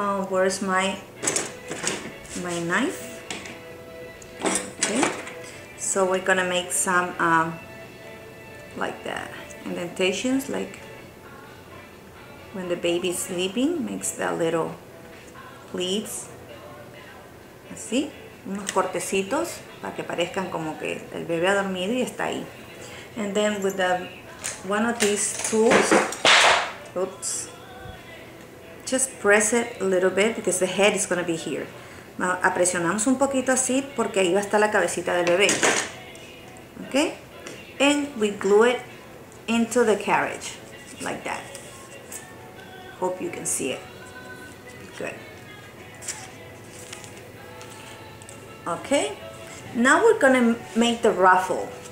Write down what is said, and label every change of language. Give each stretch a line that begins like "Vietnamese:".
English: Where's my knife? So we're gonna make some like that indentations, like when the baby's sleeping, makes the little pleats.
Spanish: Así, unos cortecitos para que parezcan como que el bebé ha dormido y está ahí.
English: And then with the one of these tools, oops, just press it a little bit because the head is gonna be here.
Spanish: Apresionamos un poquito así porque ahí va a estar la cabecita del bebé.
English: Okay, and we glue it into the carriage like that. Hope you can see it. Good. Okay, now we're gonna make the ruffle.